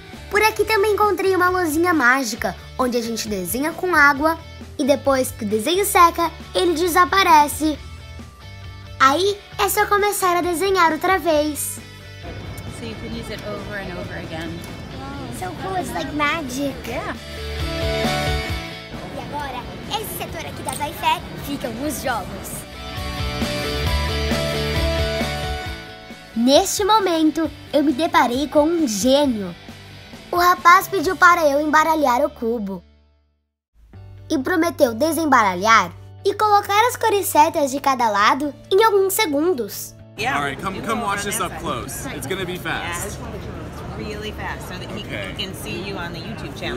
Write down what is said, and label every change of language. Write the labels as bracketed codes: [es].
[pt] Por aqui também encontrei uma luzinha mágica, onde a gente desenha com água e depois que o desenho seca, ele desaparece. Aí é só começar a desenhar outra vez. [en] So you can use it over and over again. Wow, so cool, it's like magic. Yeah. [pt] E agora, esse setor aqui da Toy Fair fica alguns jogos. Neste momento, eu me deparei com um gênio. O rapaz pediu para eu embaralhar o cubo e prometeu desembaralhar e colocar as cores certas de cada lado em alguns segundos. [en] Yeah. All right, come watch this up close. It's gonna be fast. Yeah, it's really fast so that he can see you on the YouTube channel.